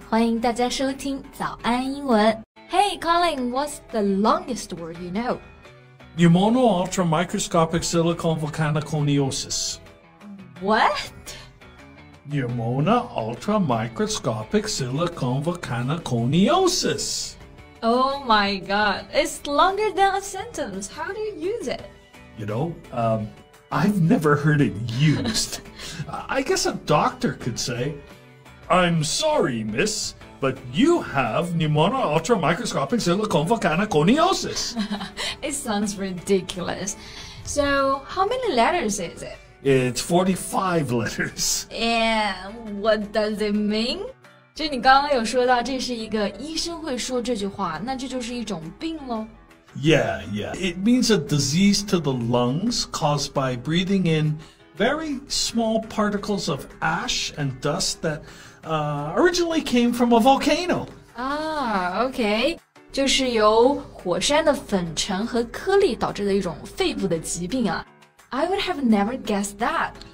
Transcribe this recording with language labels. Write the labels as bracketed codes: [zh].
[zh] 欢迎大家收听早安英文。 [en] Hey, Colin, what's the longest word you know? Pneumono-ultramicroscopic silicone volcanoconiosis. What? Pneumono-ultramicroscopic silicone volcanoconiosis. Oh my god, it's longer than a sentence. How do you use it? You know, I've never heard it used. I guess a doctor could say, I'm sorry, miss, but you have pneumono-ultramicroscopic silicone volcanoconiosis. It sounds ridiculous. So, how many letters is it? It's 45 letters. And what does it mean? [zh] 就你刚刚有说到这是一个医生会说这句话那这就是一种病咯 [en] Yeah, yeah. It means a disease to the lungs caused by breathing in very small particles of ash and dust that originally came from a volcano. [zh] Okay. 就是由火山的粉尘和颗粒导致的一种肺部的疾病啊 [en] I would have never guessed that.